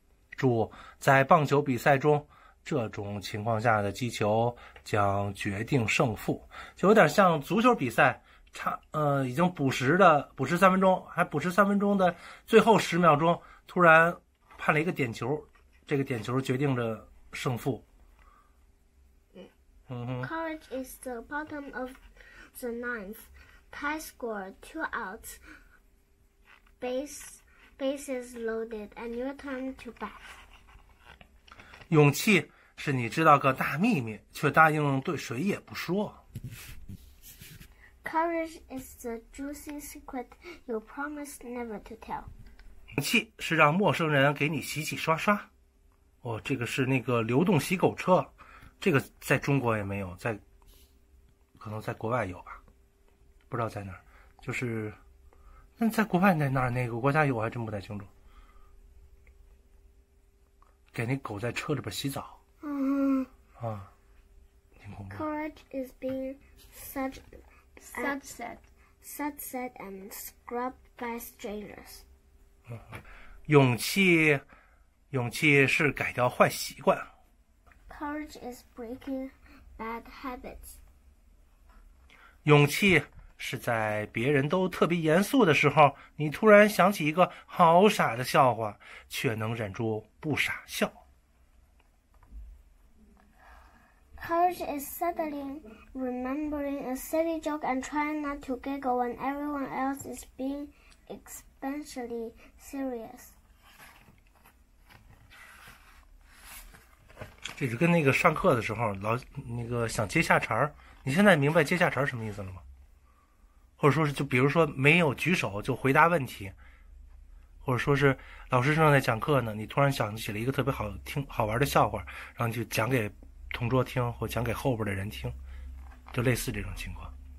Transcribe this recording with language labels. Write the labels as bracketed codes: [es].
[zh] 注：在棒球比赛中，这种情况下的击球将决定胜负，就有点像足球比赛，已经补时三分钟的最后十秒钟，突然判了一个点球，这个点球决定着胜负。 [en] Courage is the bottom of the ninth, tie score, two outs, bases loaded, and your turn to bat. [zh] 勇气是你知道个大秘密，却答应对谁也不说。 [en] Courage is the juicy secret you promised never to tell. [zh] 勇气是让陌生人给你洗洗刷刷。哦，这个是那个流动洗狗车。这个在中国也没有，在可能在国外有吧，不知道在哪儿。就是那在国外在哪儿那个国家有，我还真不太清楚。给那狗在车里边洗澡。挺恐怖。 [en] Courage is being sunset and scrubbed by strangers. [zh] 勇气是改掉坏习惯。 [en] Courage is breaking bad habits. [zh] 勇气是在别人都特别严肃的时候，你突然想起一个好傻的笑话，却能忍住不傻笑。 [en] Courage is suddenly remembering a silly joke and trying not to giggle when everyone else is being especially serious. [zh] 这是跟那个上课的时候老那个想接下茬儿，你现在明白接下茬儿什么意思了吗？或者说是就比如说没有举手就回答问题，或者说是老师正在讲课呢，你突然想起了一个特别好听好玩的笑话，然后就讲给同桌听或讲给后边的人听，就类似这种情况。